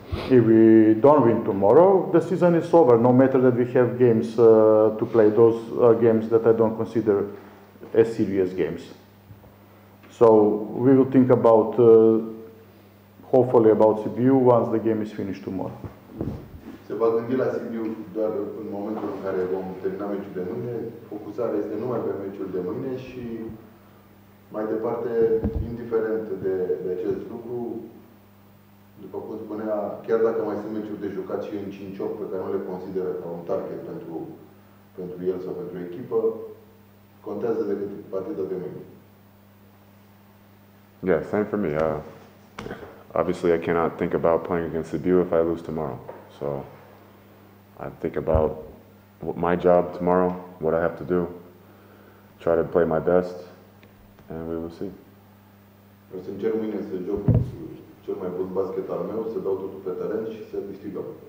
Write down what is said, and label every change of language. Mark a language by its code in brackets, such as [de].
[en] If we don't win tomorrow, the season is over, no matter that we have games to play, those games that I don't consider as serious games. So we will think about hopefully about Sibiu once the game is finished tomorrow. [ro] Se va gândi la Sibiu doar în momentul în care vom termina meciul de mâine. Focusarea este numai pe meciul de mâine și mai departe, indiferent de acest lucru, după cum spunea, chiar dacă mai sunt meciuri de jucat și în 5-8 pe care nu le consideră ca un target pentru el sau pentru echipă, contează decât partida de mâine. [en] Yeah, same for me. Obviously, I cannot think about playing against Sibiu if I lose tomorrow. So I think about my job tomorrow, what I have to do, try to play my best, and we will see. [ro] O să încerc mâine să joc cel mai bun basket al meu, să dau totul pe teren și să câștigăm.